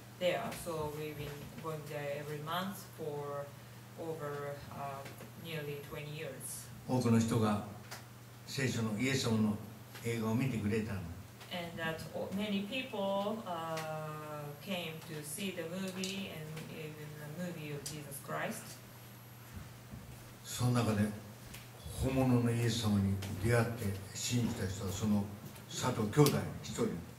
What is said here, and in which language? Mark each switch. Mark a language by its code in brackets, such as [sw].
[en] There, so we've been going there every month for over nearly 20 years. [ja] 多くの人が聖書のイエス様の映画を見てくれたの。 [en] And that many people came to see the movie and even the movie of Jesus Christ. [ja] その中で本物のイエス様に出会って信じた人はその佐藤兄弟一人。